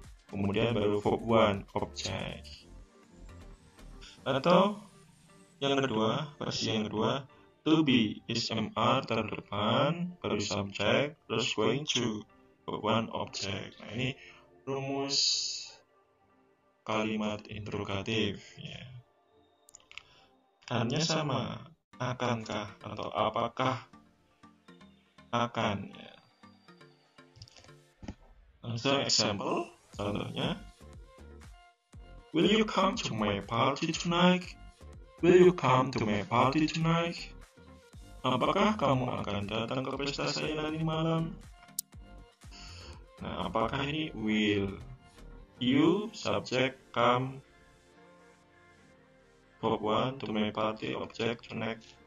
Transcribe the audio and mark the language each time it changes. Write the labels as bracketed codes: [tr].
[id] Kemudian baru verb 1, object. Atau yang kedua, versi yang kedua, to be is MR terdepan, baru subject, plus going to, one object. Nah, ini rumus kalimat interrogatif. Artinya sama, akankah atau apakah akan. [en] So, example, contohnya, will you come to my party tonight? Will you come to my party tonight? [id] Apakah kamu akan datang ke pesta saya nanti malam? Nah, apakah ini will? [en] You, subject, come, verb 1, to my party, object, tonight.